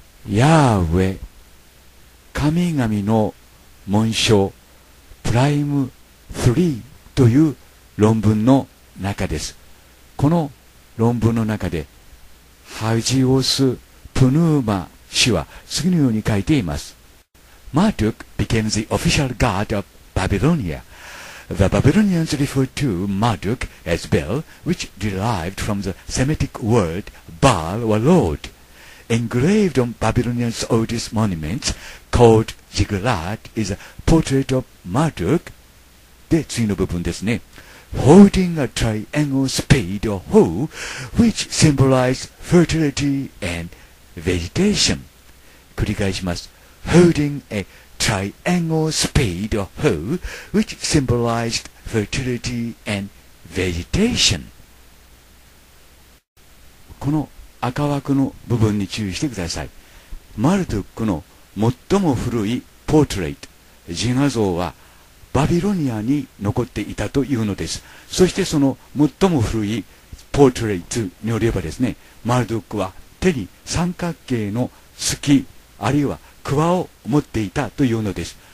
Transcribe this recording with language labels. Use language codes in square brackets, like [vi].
[ja] ヤーウェ、神々の紋章、プライム3という論文の中です。この論文の中でハジオス・プヌーマ氏は次のように書いています。 [en] Marduk became the official god of Babylonia. The Babylonians referred to Marduk as Bel, which derived from the Semitic word Baal or Lord. Engraved on Babylonians' oldest monuments called Ziggurat is a portrait of Marduk. [ja] で、次の部分ですね。 [en] Holding a triangle spade or hoe, which symbolizes fertility and vegetation. [ja] 繰り返します。 [en] Holding a triangle spade or hoe, which symbolizes fertility and vegetation. [ja] この赤枠の部分に注意してください。マルドックの最も古いポートレート、自画像はバビロニアに残っていたというのです。そしてその最も古いポートレートによればですね、マルドックは手に三角形の鋤、あるいは鍬を持っていたというのです。